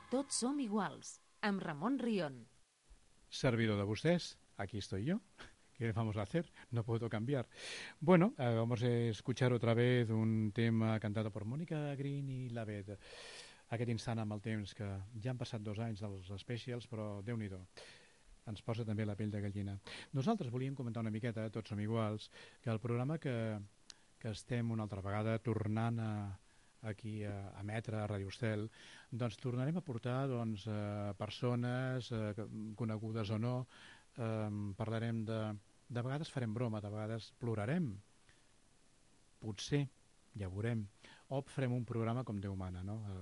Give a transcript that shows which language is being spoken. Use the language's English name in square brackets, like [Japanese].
[Catalan] Som iguals, amb Ramon Rion. Servidor de vostès, [Spanish] aquí estoy yo. ¿Qué vamos a hacer? No puedo cambiar. Bueno, vamos a escuchar otra vez un tema cantado por Mónica Green i la Beth. [Catalan] Aquest instant amb el temps, que ja han passat 2 anys dels specials, però déu-n'hi-do, ens posa també la pell de gallina. Nosaltres volíem comentar una miqueta, tots som iguals, que el programa que estem una altra vegada tornant a aquí a emetre a Ràdio Estel, doncs tornarem a portar doncs, persones conegudes o no, parlarem de vegades farem broma, de vegades plorarem, potser, ja veurem, o farem un programa com Déu mana, no?